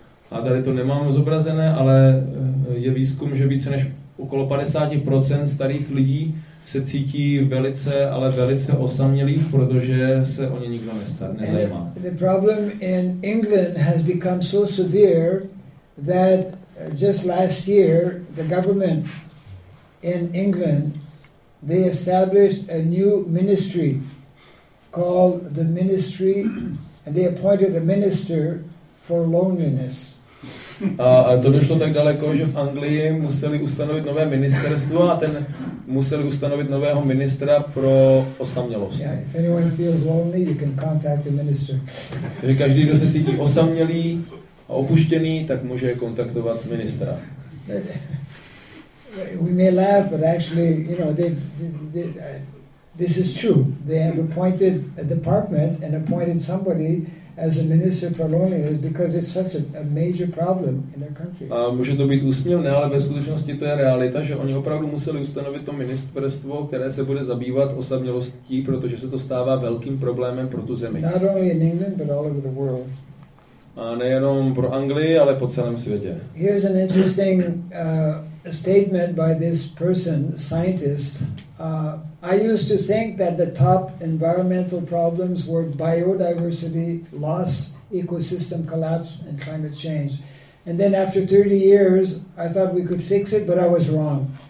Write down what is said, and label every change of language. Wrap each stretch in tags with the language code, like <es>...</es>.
<cs>A tady to nemám zobrazené, ale je výzkum, že více než okolo 50% starých lidí se cítí velice, ale velice osamělých, protože se o ně nikdo nezajímá.</cs> <en>The problem in England has become so severe that just last year the government in England they established a new ministry called the ministry and they appointed a minister for loneliness.</en> <cs>A to došlo tak daleko, že v Anglii museli ustanovit nové ministerstvo a ten museli ustanovit nového ministra pro osamělost.</cs> <en>Yeah, if anyone feels lonely, you can contact the minister.</en> <cs>Takže každý, kdo se cítí osamělý a opuštěný, tak může kontaktovat ministra.</cs> <en>We may laugh, but actually, you know, they This is true. They have appointed a department and appointed somebody as a minister for loneliness because it's such a major problem in their country.</en> <cs>A může to být úsměvné, ale ve skutečnosti to je realita, že oni opravdu museli ustanovit to ministerstvo, které se bude zabývat osamělostí, protože se to stává velkým problémem pro tu zemi.</cs> <en>Not only in England, but all over the world.</en> <cs>A nejenom pro Anglii, ale po celém světě.</cs> <en>Here's an interesting statement by this person, scientist. I used to think that the top environmental problems were biodiversity loss, ecosystem collapse, and climate change. And then after 30 years, I thought we could fix it, but I was wrong.</en>